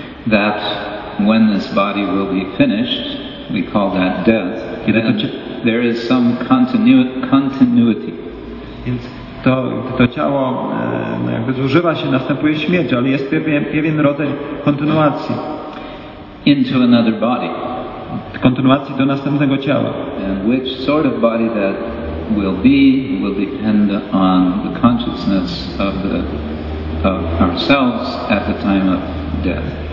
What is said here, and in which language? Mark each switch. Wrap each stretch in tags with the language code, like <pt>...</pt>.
<en>That when this body will be finished, we call that death. Then there is some continuity.</en> <pl>Więc to ciało jakby zużywa się, następuje śmierć, ale jest pewien rodzaj kontynuacji.</pl> <en>Into another body.</en> <pl>Kontynuacji do następnego ciała.</pl> <en>And which sort of body that will depend on the consciousness of ourselves at the time of death.</en>